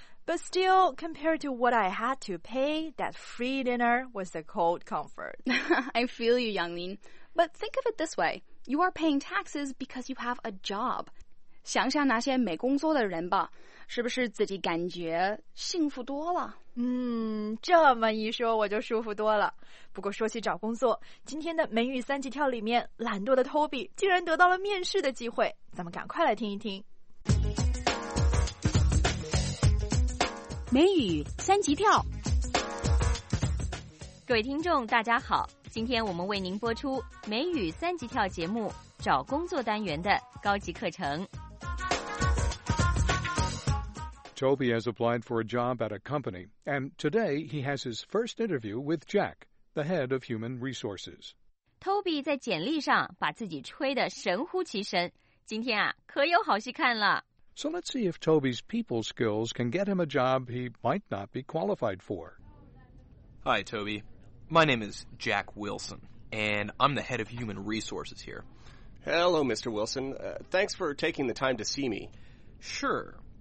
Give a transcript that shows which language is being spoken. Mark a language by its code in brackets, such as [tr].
[en] But still, compared to what I had to pay, that free dinner was a cold comfort. I feel you, Yanglin. But think of it this way. You are paying taxes because you have a job. [zh] 想想那些没工作的人吧，是不是自己感觉幸福多了？这么一说我就舒服多了。不过说起找工作，今天的美语三级跳里面，懒惰的 Toby 竟然得到了面试的机会。咱们赶快来听一听。美语三级跳，各位听众大家好，今天我们为您播出美语三级跳节目找工作单元的高级课程。 [en] Toby has applied for a job at a company, and today he has his first interview with Jack, the head of human resources. [zh] Toby 在简历上把自己吹得神乎其神，今天啊可有好戏看了。 [en] So let's see if Toby's people skills can get him a job he might not be qualified for. Hi, Toby. My name is Jack Wilson, and I'm the head of human resources here. Hello, Mr. Wilson. Thanks for taking the time to see me. Sure.